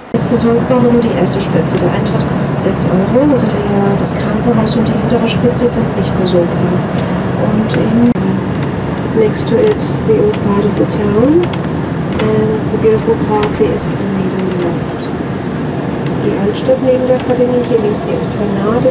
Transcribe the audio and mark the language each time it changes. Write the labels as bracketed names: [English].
[German] Besuchbar, nur die erste Spitze. Der Eintritt kostet 6 Euro. Also das Krankenhaus und die hintere Spitze sind nicht besuchbar. [English] Und next to it, the old part of the town and the beautiful park, the Esplanade on the left. [German] Also die Altstadt neben der Akademie, hier links die Esplanade.